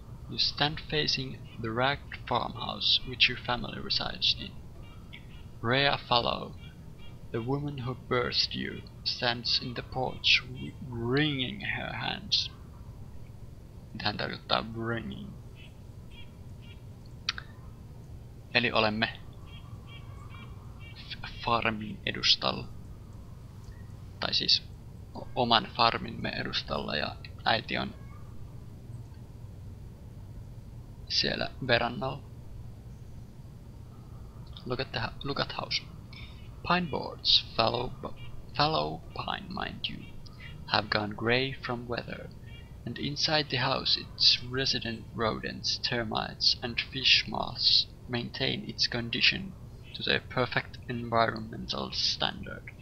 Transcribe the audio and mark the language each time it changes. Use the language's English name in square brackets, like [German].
[English] You stand facing the ragged farmhouse which your family resides in. Rhea Fallow, the woman who birthed you, stands in the porch wringing her hands. [Finnish] Tähän tarkoittaa wringing. Eli olemme farmin edustalla, tai siis oman farminme edustalla, ja äiti on siellä verannalla. [English] Look at the house. Pine boards, fallow pine, mind you, have gone grey from weather, and inside the house its resident rodents, termites and fish moths maintain its condition to their perfect environmental standard.